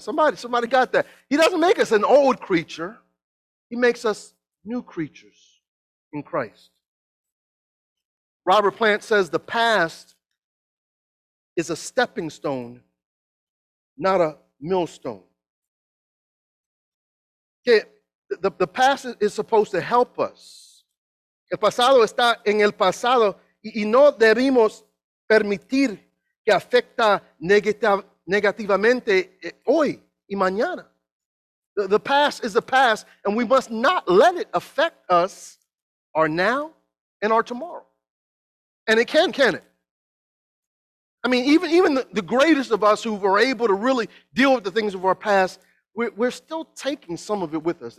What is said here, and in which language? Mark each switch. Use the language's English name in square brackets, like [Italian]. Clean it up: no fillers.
[English] Somebody got that. He doesn't make us an old creature. He makes us new creatures in Christ. Robert Plant says the past is a stepping stone, not a millstone. Que the past is supposed to help us. [Spanish] El pasado está en el pasado y no debemos permitir que afecta negativamente hoy y mañana. [English] The past is the past, and we must not let it affect us, our now and our tomorrow. And it can it? I mean, even the greatest of us who were able to really deal with the things of our past, we're still taking some of it with us.